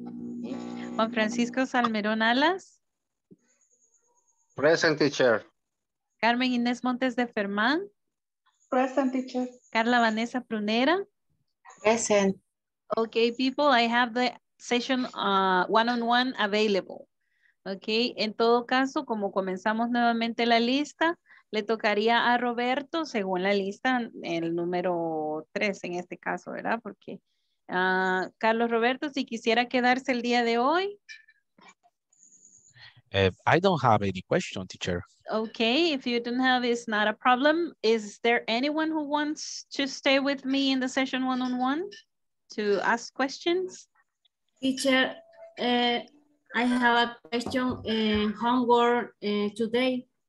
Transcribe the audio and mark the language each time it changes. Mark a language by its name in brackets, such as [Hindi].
[English] Okay. Juan Francisco Salmerón Alas? Present, teacher. Carmen Inés Montes de Fermán? Present, teacher. Carla Vanessa Prunera? Present. Okay, people, I have the session one-on-one available. [Spanish] Okay, en todo caso, como comenzamos nuevamente la lista, le tocaría a Roberto, según la lista, el número 3 en este caso, ¿verdad? Porque Carlos Roberto, si quisiera quedarse el día de hoy. [English] I don't have any question, teacher. Okay, if you don't have, it's not a problem. Is there anyone who wants to stay with me in the session one-on-one to ask questions? Teacher, I have a question, homework today.